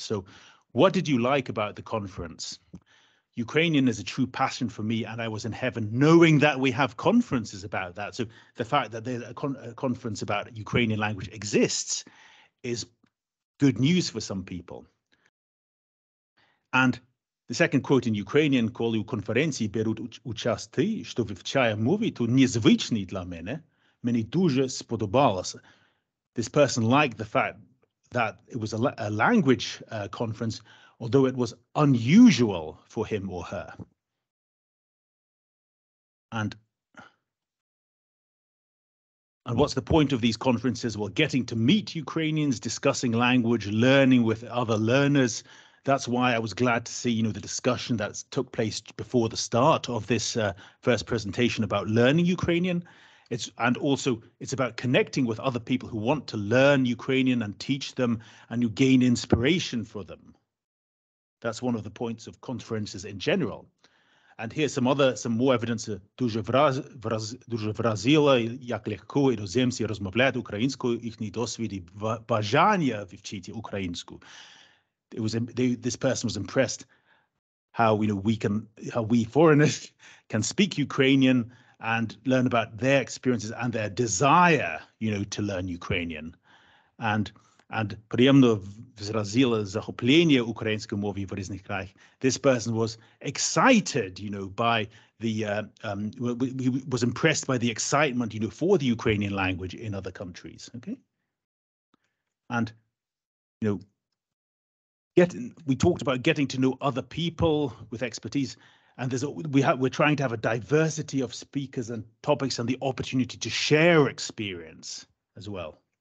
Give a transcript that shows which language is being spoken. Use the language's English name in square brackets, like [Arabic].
[English] So what did you like about the conference? Ukrainian is a true passion for me, and I was in heaven knowing that we have conferences about that. So the fact that there's a conference about Ukrainian language exists is good news for some people. And the second quote in Ukrainian, [Ukrainian] коли у конференції беруть участь, що вивчає мови, то незвичний для мене, мені дуже сподобалося. [English] This person liked the fact that it was a language conference, although it was unusual for him or her. And what's the point of these conferences? Well, getting to meet Ukrainians, discussing language, learning with other learners. That's why I was glad to see, you know, the discussion that took place before the start of this first presentation about learning Ukrainian. It's, and also it's about connecting with other people who want to learn Ukrainian and teach them, and you gain inspiration for them. That's one of the points of conferences in general. And here's some other, some more evidence. [Ukrainian] Дуже вразило, як легко іноземці розмовляють українською, їхній досвід і бажання вивчити українську. [English] It was this person was impressed how, you know, we can, how we foreigners can speak Ukrainian and learn about their experiences and their desire, you know, to learn Ukrainian. [Ukrainian] And приємно зразило захоплення українською мовою в різних краях. [English] This person was excited, you know, by the was impressed by the excitement, you know, for the Ukrainian language in other countries. Okay, and you know. We talked about getting to know other people with expertise, and we're trying to have a diversity of speakers and topics and the opportunity to share experience as well.